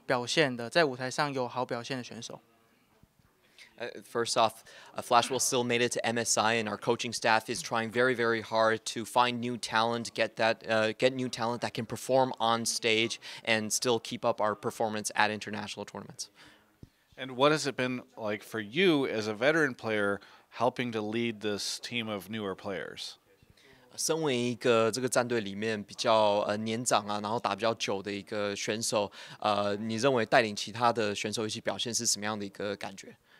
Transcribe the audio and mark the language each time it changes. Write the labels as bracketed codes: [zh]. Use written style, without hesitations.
[zh] 的人都说，哇，闪电狼已经完全大换血啊！这个区不行啦，闪电狼也不行了。你有什么话想要对这些评价回应的吗？就是只有MS还有闪电狼嘛，然后我们的后勤团队就会帮助我们很多，就会教我们很多，然后再培养出新的心血来，然后就是会培养出可以来国际赛表现的，在舞台上有好表现的选手。 [en] First off, Flash Wolves still made it to MSI, and our coaching staff is trying very, very hard to find new talent, get new talent that can perform on stage and still keep up our performance at international tournaments. And what has it been like for you as a veteran player helping to lead this team of newer players? [zh] 身为一个这个战队里面比较年长啊，然后打比较久的一个选手，你认为带领其他的选手一起表现是什么样的一个感觉？